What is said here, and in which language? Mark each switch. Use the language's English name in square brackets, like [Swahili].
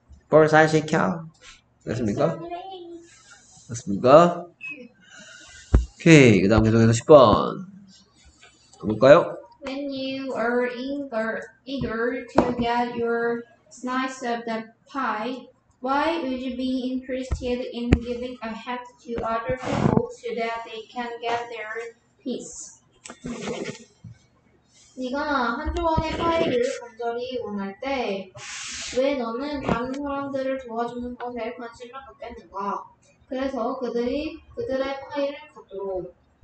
[Korean] 볼살시켜 됐습니까? 됐습니까? 오케이, 그 다음 계속해서 10번 볼까요? [English] When you are eager to get your slice of the pie, why would you be interested in giving a hat to other people so that they can get their piece? [Korean] 네가 한 조각의 파이를 간절히 원할 때, 왜 너는 다른 사람들을 도와주는 것에 관심을 갖겠는가? 그래서 그들이 그들의 파이를 갖도록.